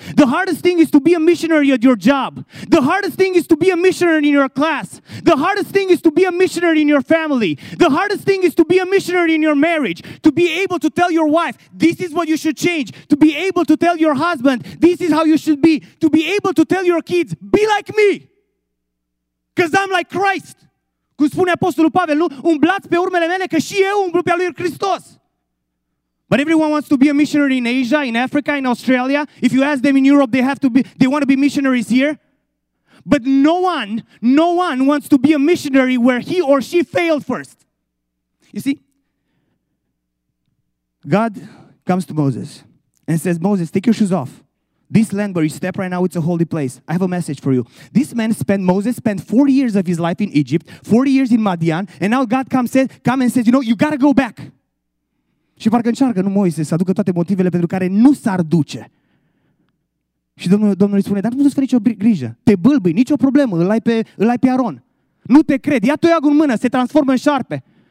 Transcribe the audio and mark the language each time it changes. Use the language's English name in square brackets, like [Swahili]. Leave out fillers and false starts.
[English] The hardest thing is to be a missionary at your job. The hardest thing is to be a missionary in your class. The hardest thing is to be a missionary in your family. The hardest thing is to be a missionary in your marriage. To be able to tell your wife, this is what you should change. To be able to tell your husband, this is how you should be. To be able to tell your kids, be like me. Because I'm like Christ. [Romanian] Cum spune Apostolul Pavel, umblați pe urmele mele că și eu umblu pe al lui Hristos. [English] But everyone wants to be a missionary in Asia, in Africa, in Australia. If you ask them in Europe, they want to be missionaries here. But no one wants to be a missionary where he or she failed first. You see, God comes to Moses and says, Moses, take your shoes off. This land where you step right now, it's a holy place. I have a message for you. This man spent, Moses spent 40 years of his life in Egypt, 40 years in Madian, and now God comes and says, you know, you got to go back. [Romanian] Și parcă încearcă, nu, Moise, să aducă toate motivele pentru care nu s-ar duce. Și Domnul îi spune, dar nu-ți fă nicio grijă. Te bâlbâi, nicio problemă, îl ai pe Aron. Nu te cred, ia toiagul în mână, se transformă în șarpe.